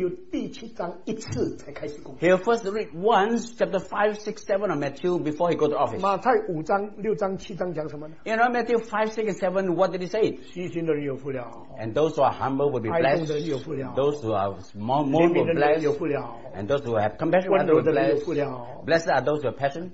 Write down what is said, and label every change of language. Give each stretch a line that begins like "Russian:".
Chinese: 他一定要先读马太福音第五、第六、第七章一次才开始工作。
English: He'll first read once chapter 5, 6, 7 of Matthew before he go to office.
Chinese: 马太五章、六章、七章讲什么呢?
English: You know Matthew 5, 6, and 7, what did he say?
Chinese: 虚心的人有福了。
English: And those who are humble will be blessed.
Chinese: 爱动的人有福了。
English: Those who are mourn will be blessed.
Chinese: 有福了。
English: And those who have compassion will be blessed.
Chinese: 温柔的人有福了。
English: Blessed are those who have passion.